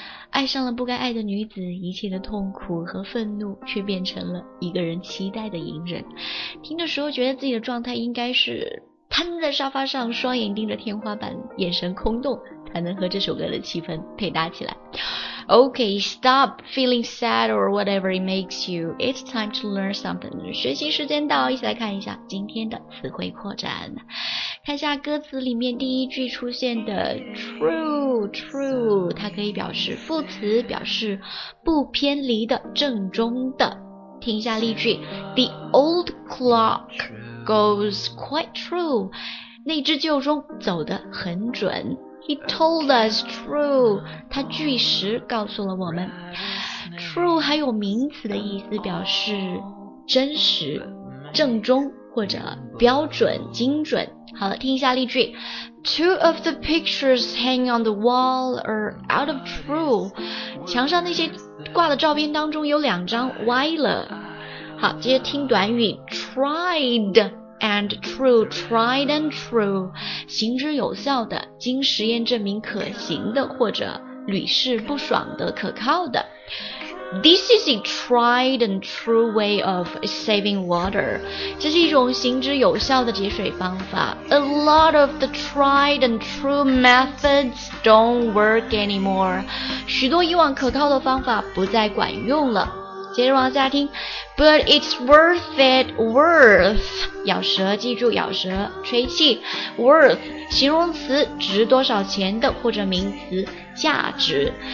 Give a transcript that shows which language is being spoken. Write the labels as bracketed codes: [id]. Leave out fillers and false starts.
[zh] 爱上了不该爱的女子，一切的痛苦和愤怒却变成了一个人期待的隐忍。听的时候觉得自己的状态应该是瘫在沙发上，双眼盯着天花板，眼神空洞，才能和这首歌的气氛配搭起来。 [en] Okay, stop feeling sad or whatever it makes you. It's time to learn something. [zh] 学习时间到，一起来看一下今天的词汇扩展。看一下歌词里面第一句出现的 true, 它可以表示副词，表示不偏离的、正中的。听一下例句 [en] ,The old clock goes quite true. [zh] 那只旧钟走得很准。 [en] He told us true, [zh] 他据实告诉了我们。 True 还有名词的意思，表示真实、正宗或者标准、精准。好了，听一下例句。 [en] Two of the pictures hang on the wall are out of true. [zh] 墙上那些挂的照片当中有两张歪了。好，接着听短语 tried. And true, [en] tried and true, [zh] 行之有效的，经实验证明可行的，或者屡试不爽的，可靠的。 [en] This is a tried and true way of saving water. [zh] 这是一种行之有效的节水方法。 [en] A lot of the tried and true methods don't work anymore. [zh] 许多以往可靠的方法不再管用了。接着往下听 But it's worth it, worth 咬舌，记住咬舌吹气 Worth 形容词，值多少钱的，或者名词，价值。